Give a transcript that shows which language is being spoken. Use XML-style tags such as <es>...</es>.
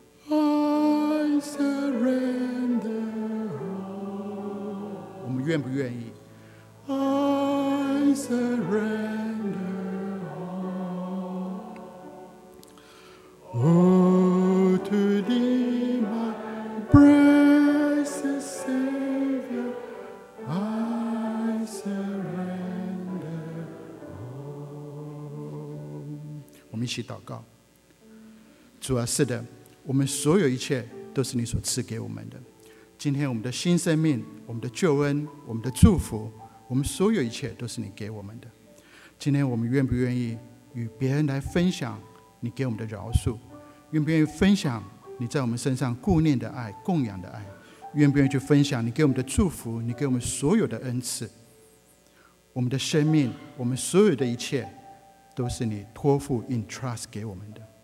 <en>I surrender.</en> <zh>我们愿不愿意 ？</zh> <en>I surrender. Oh, to thee, my precious Savior, I surrender.</en> <zh>我们一起祷告。主啊，是的，我们所有一切都是你所赐给我们的，今天我们的新生命，我们的救恩，我们的祝福，我们所有一切都是你给我们的，今天我们愿不愿意与别人来分享你给我们的饶恕，愿不愿意分享你在我们身上顾念的爱，供养的爱，愿不愿意去分享你给我们的祝福，你给我们所有的恩赐，我们的生命，我们所有的一切都是你托付 entrust 给我们的。</zh>